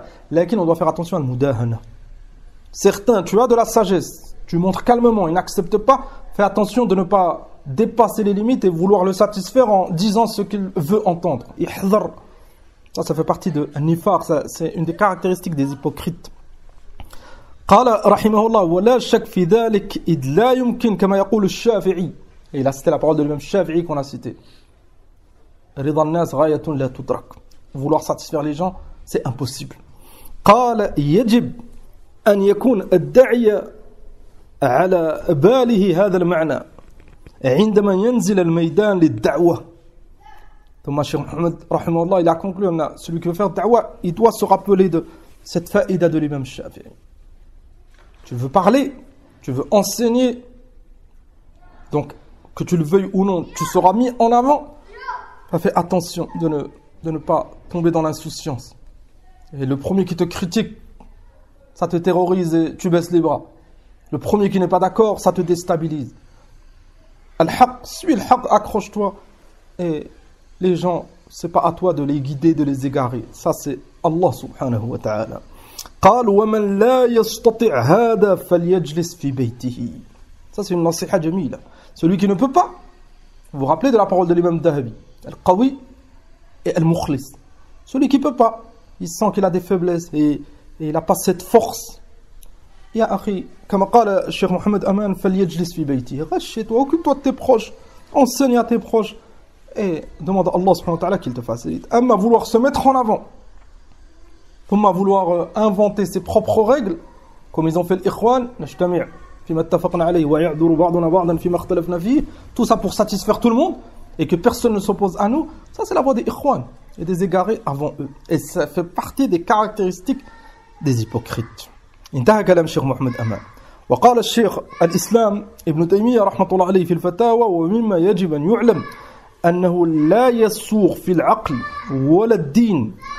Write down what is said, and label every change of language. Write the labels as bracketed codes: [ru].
[fr] Là, on doit faire attention à le mudahana. Certains, tu as de la sagesse, tu montres calmement, ils n'acceptent pas. Fais attention de ne pas dépasser les limites et vouloir le satisfaire en disant ce qu'il veut entendre. [ar] Ihdhar. [fr] Ça, ça fait partie de nifar, ça, c'est une des caractéristiques des hypocrites. [ar] قال رحمه الله ولا شك في ذلك إذ لا يمكن كما يقول الشافعي. [fr] Et il a cité la parole de lui-même, Shafi'i, qu'on a cité. [ar] رِضَ النَّاسِ غَيَةٌ لَا تُدْرَكُ. [fr] Vouloir satisfaire les gens, c'est impossible. [ar] قَالَ يَجِبْ أَنْ يَكُونَ الدَّعِيَ عَلَى بَالِهِ هَذَا الْمَعْنَى عِنْدَمَا يَنْزِلَ الْمَيْدَانِ لِلدَّعْوَةِ. [fr] Thomas Cheikh Mohamed, rahimahullah, il a conclu, celui qui veut faire da'wah, il doit se rappeler de cette faïda de lui-même Shafi'i. Tu veux parler, tu veux enseigner, donc que tu le veuilles ou non, tu seras mis en avant. Fais attention de ne pas tomber dans l'insouciance. Et le premier qui te critique, ça te terrorise et tu baisses les bras. Le premier qui n'est pas d'accord, ça te déstabilise. Al-Haq, suis Al-Haq, accroche-toi. Et les gens, c'est pas à toi de les guider, de les égarer. Ça, c'est Allah subhanahu wa ta'ala. [ar] قال ومن لا يستطيع هذا فليجلس في بيته. [fr] Ça, c'est une nasiha jamila. Celui qui ne peut pas, vous rappelez de la parole de l'imam Dahabi, Al-Qawi et Al-Mukhlis. Celui qui ne peut pas, il sent qu'il a des faiblesses et il n'a pas cette force. [ar] Ya akhi, [fr] comme a dit Cheikh Mohamed Aman, [ar] فليجلس في بيته. [fr] Reste chez toi, occupe-toi de tes proches, enseigne à tes proches et demande à Allah subhanahu wa ta'ala qu'il te facilite. Amma, vouloir se mettre en avant, pour ma vouloir inventer ses propres règles, comme ils ont fait l'Ikhwan, [ar] نجتمع فيما اتفقنا عليه ويعذر بعضنا بعضا فيما اختلفنا فيه, [fr] tout ça pour satisfaire tout le monde et que personne ne s'oppose à nous, ça c'est la voie des Ikhwan et des égarés avant eux. Et ça fait partie des caractéristiques des hypocrites. [ar] انتهى كلام الشيخ محمد أمان. وقال الشيخ الإسلام ابن تيمية رحمة الله عليه في الفتاوى ومما يجب أن يعلم أنه لا يسوغ في العقل ولا الدين.